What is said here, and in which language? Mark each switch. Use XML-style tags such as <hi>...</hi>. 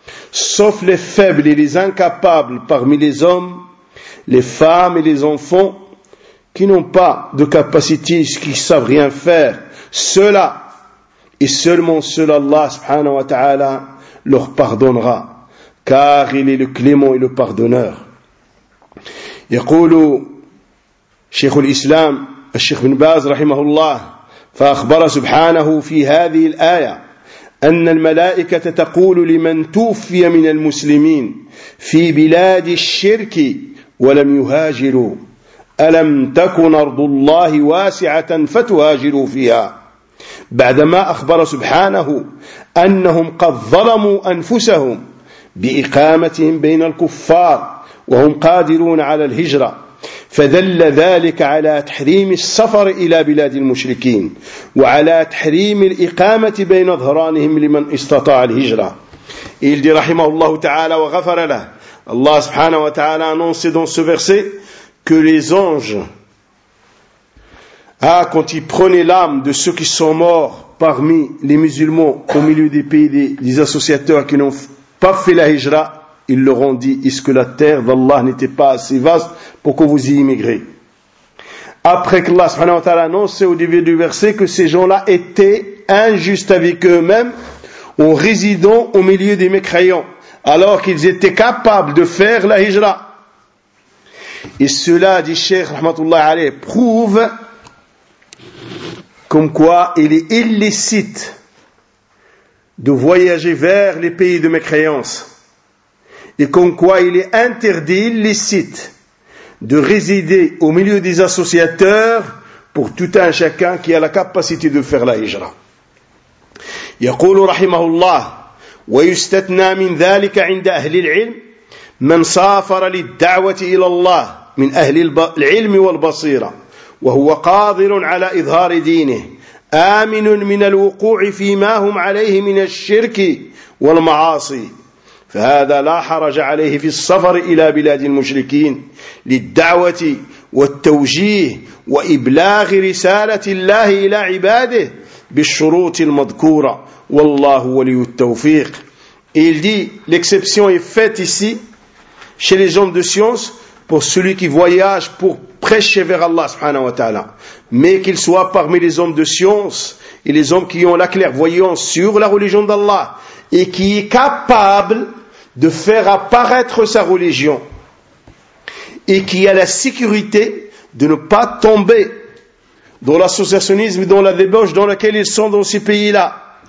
<fr>Sauf les faibles et les incapables parmi les hommes, les femmes et les enfants qui n'ont pas de capacité, qui ne savent rien faire. Cela, et seulement cela, Allah subhanahu wa ta'ala leur pardonnera, car il est le clément et le pardonneur.</fr> <ar>يقول شيخ الإسلام الشيخ بن باز رحمه الله فأخبر سبحانه في هذه الآية أن الملائكة تقول لمن توفي من المسلمين في بلاد الشرك ولم يهاجروا ألم تكن أرض الله واسعة فتهاجروا فيها. بعدما أخبر سبحانه أنهم قد ظلموا أنفسهم بإقامتهم بين الكفار وهم قادرون على الهجرة فدل ذلك على تحريم السفر إلى بلاد المشركين وعلى تحريم الإقامة بين ظهرانهم لمن استطاع الهجرة. إلدي رحمه الله تعالى وغفر له. الله سبحانه وتعالى</ar> <fr>annonce dans ce verset que les anges, quand ils prenaient l'âme de ceux qui sont morts parmi les musulmans au milieu des pays des associateurs qui n'ont pas fait la hijra, ils leur ont dit, est-ce que la terre d'Allah n'était pas assez vaste pour que vous y immigrez? Après qu'Allah subhanahu wa ta'ala a annoncé au début du verset que ces gens-là étaient injustes avec eux-mêmes en résidant au milieu des mécréants, alors qu'ils étaient capables de faire la hijra. Et cela, dit Cheikh rahmatullah alayh, prouve comme quoi il est illicite de voyager vers les pays de mécréance et comme quoi il est interdit, illicite, de résider au milieu des associateurs pour tout un chacun qui a la capacité de faire la hijra.</fr> <ar>يقول رحمه الله ويستثنى من ذلك عند أهل العلم من سافر للدعوة إلى الله من أهل العلم والبصيرة وهو قادر على إظهار دينه آمن من الوقوع فيما هم عليه من الشرك والمعاصي فهذا لا حرج عليه في السفر إلى بلاد المشركين للدعوة والتوجيه وإبلاغ رسالة الله إلى عباده بالشروط المذكورة والله ولي التوفيق.</ar> <fr>Il dit, l'exception est faite ici chez les gens de science pour celui qui voyage pour prêcher vers Allah subhanahu wa ta'ala, mais qu'il soit parmi les hommes de science et les hommes qui ont la clairvoyance sur la religion d'Allah et qui est capable de faire apparaître sa religion et qui a la sécurité de ne pas tomber dans l'associationnisme et dans la débauche dans laquelle ils sont dans ces pays-là.</fr>